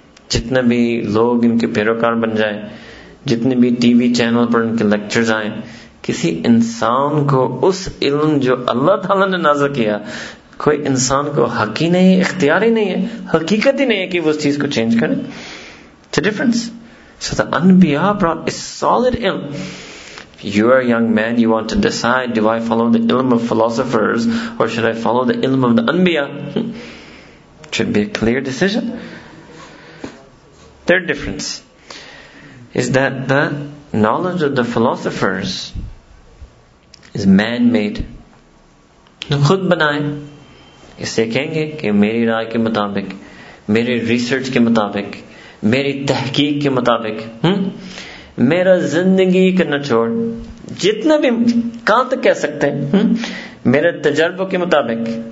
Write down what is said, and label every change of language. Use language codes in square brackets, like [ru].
[ur] جتنے بھی لوگ ان کے پیروکار بن جائیں, جتنے بھی ٹی وی چینل پر ان کے لیکچرز آئیں, کسی انسان کو اس علم جو اللہ تعالیٰ نے نازل کیا, کوئی انسان کو حق ہی نہیں, اختیار ہی نہیں ہے, حقیقت ہی نہیں ہے کہ وہ اس چیز کو چینج کرے. [en] It's a difference. So the Anbiya brought a solid ilm. If you are a young man, you want to decide, do I follow the ilm of philosophers or should I follow the ilm of the Anbiya? It should be a clear decision. Third difference is that the knowledge of the philosophers is man-made. [ur] خود بنائیں. اس سے کہیں گے کہ میری رائے کے مطابق, میری ریسرچ کے مطابق, میری تحقیق کے مطابق, میرا زندگی کا نچوڑ, جتنا بھی کہاں تک کہہ سکتے ہیں, میرے تجربوں کے مطابق.